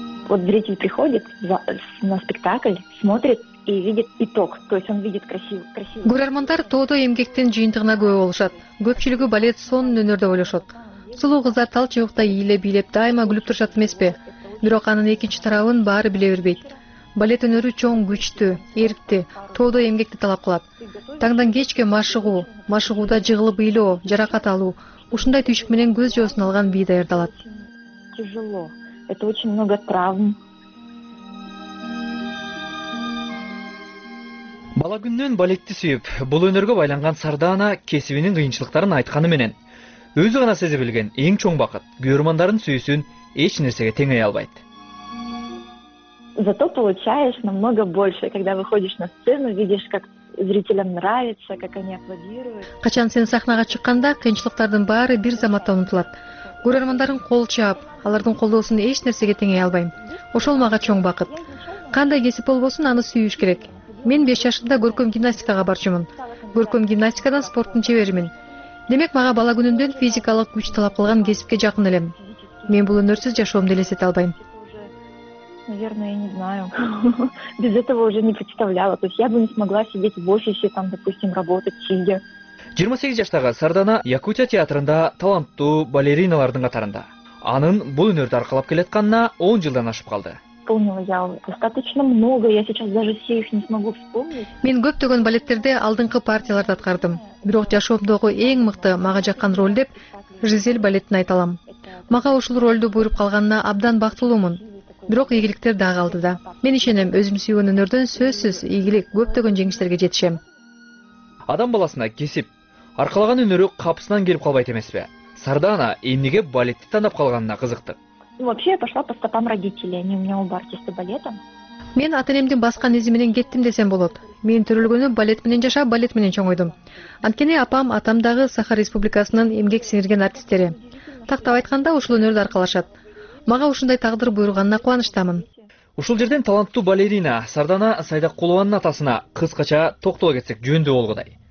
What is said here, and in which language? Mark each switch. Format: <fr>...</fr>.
<ru>Вот зритель приходит на спектакль, смотрит и видит итог, то есть он видит красивый.</ru> <ky>Көрөрмандар тоодо эмгектин жыйынтыгына көз болушат. Көпчүлүгү балет сонун өнөрдө ойлошот. Сулуу кыздар тал чыбыкта ийиле бийлеп дайыма күлүп турушат эмеспи? Бирок анын экинчи тарабын баары биле бербейт. Балет өнөрү чоң күчтүү, эрктүү, тоодо эмгекти талап кылат. Таңдан кечке машыгуу, машыгууда жыгылып ыйлоо, жаракат алуу, ушундай түйшүк менен көз жоосун алган бий даярдалат.</ky> <ru>Тяжело. Это очень много травм.</ru> <ky>Бала күндөн балетти сүйүп, бул өнөргө байланган Сардана кесибинин кыйынчылыктарын айтканы менен өзү гана сезе билген эң чоң бакыт көрөрмандардын сүйүүсүн эч нерсеге теңей албайт.</ky> <ru>Зато получаешь намного больше, когда выходишь на сцену, видишь, как зрителям нравится, как они аплодируют.</ru> <ky>Качан сен сахнага чыкканда кыйынчылыктардын баары бир заматта унутулат. Көрөрмандардын кол чаап, алардын колдоосун эч нерсеге теңей албайм. Ошол мага чоң бакыт. Кандай кесип болбосун, аны сүйүш керек. Мен 5 жашында көркөм гимнастикага барчумун. Көркөм гимнастикадан спорттун чеберимин. Демек мага бала күнүмдөн физикалык күч талап кылган кесипке жакын элем. Мен бул өнөрсүз жашоомду элестете албайм.</ky> <ru>Наверное, я не знаю. Без этого уже не представляла. То есть я бы не смогла сидеть в офисе там, допустим, работать сидя.</ru> <ky>28 жаштагы Сардана Якутия театрында таланттуу балериналардын катарында. Анын бул өнөрдү аркалап келатканына 10 жылдан ашып калды.</ky> <ru>Достаточно много, я сейчас даже все их не смогу вспомнить.</ru> <ky>Мен көптөгөн балеттерде алдыңкы партияларды аткардым. Бирок жашоомдогу эң мыкты мага жаккан роль деп Жизель балетин айта алам. Мага ушул ролду буйруп калганына абдан бактылуумун. Бирок ийгиликтер дагы алдыда. Мен ишенем, өзүм сүйгөн өнөрдөн сөзсүз ийгилик, көптөгөн жеңиштерге жетишем. Адам баласына кесип, аркалаган өнөрү капсынан келип калбайт эмеспи? Сардана эмнеге балетти тандап калганына кызыкты.</ky> <ru>Вообще, я пошла по стопам родителей. Они у меня оба артисты балета.</ru> <ky>Мен ата-энемдин баскан изи менен кеттим десем болот. Мен төрөлгөнүм балет менен жашап, балет менен чоңойдум. Анткени апам, атам дагы Саха Республикасынын эмгек сиңирген артисттери. Тактап айтканда, ушул өнөрдү аркалашат. Мага ушундай тагдыр буйруганына кубанычтамын. Ушул жерден таланттуу балерина Сардана Сайдакулованын атасына кыскача токтоло кетсек жөндөө болгудай.</ky>